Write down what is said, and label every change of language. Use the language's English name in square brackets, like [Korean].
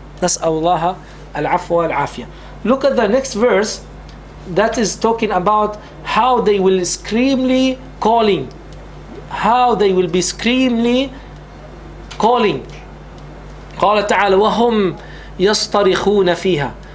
[Arabic] نسأل الله العفو والعافية. [English] Look at the next verse that is talking about how they will screamly calling. How they will be screamly calling. [Arabic] قال تعالى وهم يصطرخون فيها.